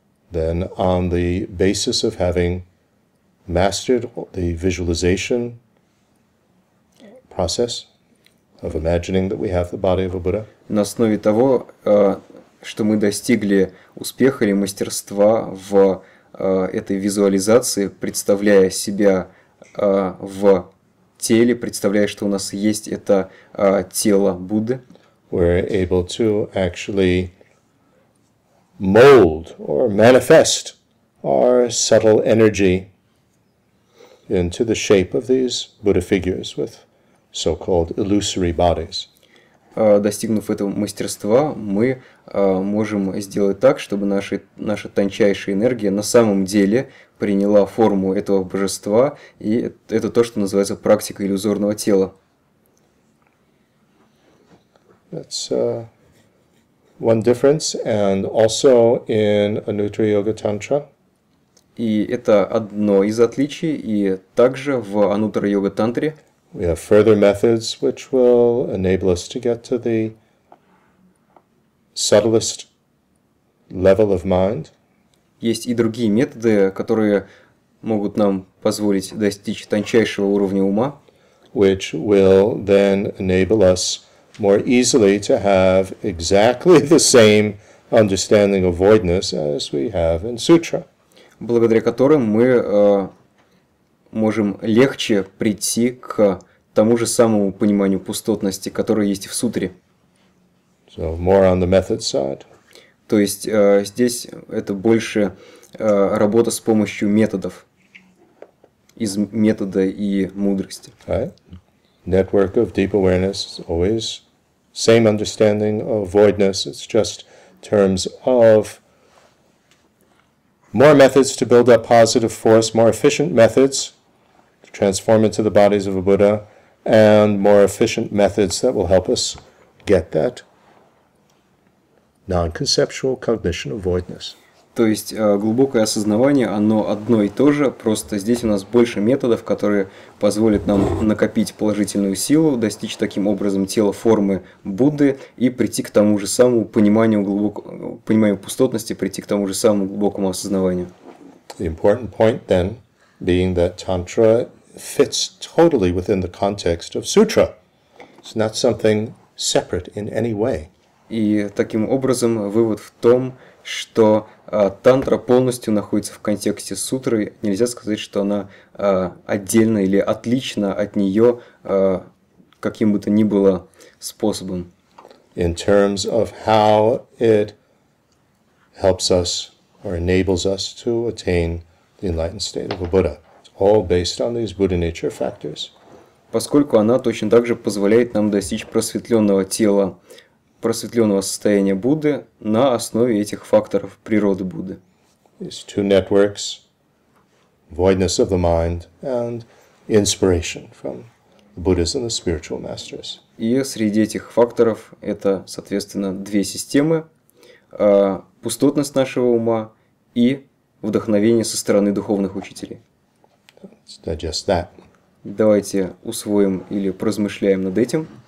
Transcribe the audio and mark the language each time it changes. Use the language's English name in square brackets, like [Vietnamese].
[English] Then on the basis of having mastered the visualization process of imagining that we have the body of a Buddha. [Russian] На основе того, что мы достигли успеха или мастерства в этой визуализации, представляя себя в теле, представляя, что у нас есть это тело Будды. [English] We're able to actually mold or manifest our subtle energy into the shape of these Buddha figures with so-called illusory bodies. [Russian] Достигнув этого мастерства, мы можем сделать так, чтобы наша тончайшая энергия на самом деле приняла форму этого божества, и это то, что называется практика иллюзорного тела. [English] That's one difference, and also in Anuttara Yoga Tantra. [Russian] И это одно из отличий, и также в Anuttara Yoga Tantra. [English] We have further methods which will enable us to get to the subtlest level of mind. [Russian] Есть и другие методы, которые могут нам позволить достичь тончайшего уровня ума. [English] Which will then enable us more easily to have exactly the same understanding of voidness as we have in sutra. [Russian] Благодаря которым мы можем легче прийти к тому же самому пониманию пустотности, которое есть в сутре. [English] So more on the method side. [Russian] То есть здесь это больше работа с помощью методов, из метода и мудрости. [English] Right. Network of deep awareness is always same understanding of voidness. It's just terms of more methods to build up positive force, more efficient methods to transform into the bodies of a Buddha. And more efficient methods that will help us get that non-conceptual cognition of voidness. [Russian] То есть глубокое осознавание, оно одно и то же, просто здесь у нас больше методов, которые позволят нам накопить положительную силу, достичь таким образом тела формы Будды и прийти к тому же самому пониманию пониманию пустотности, прийти к тому же самому глубокому осознаванию. [English] The important point then being that Tantra fits totally within the context of sutra. It's not something separate in any way. [Russian] И таким образом вывод в том, что тантра полностью находится в контексте сутры. Нельзя сказать, что она отдельно или отлично от нее каким бы то ни было способом. [English] In terms of how it helps us or enables us to attain the enlightened state of a Buddha. All based on these Buddha nature factors. [Russian] Поскольку она точно так же позволяет нам достичь просветленного тела, просветленного состояния Будды на основе этих факторов природы Будды. [English] These two networks, voidness of the mind and inspiration from the Buddhas and the spiritual masters. [Russian] И среди этих факторов это, соответственно, две системы: пустотность нашего ума и вдохновение со стороны духовных учителей. [English] Let's digest that. [Russian] Давайте усвоим или поразмышляем над этим.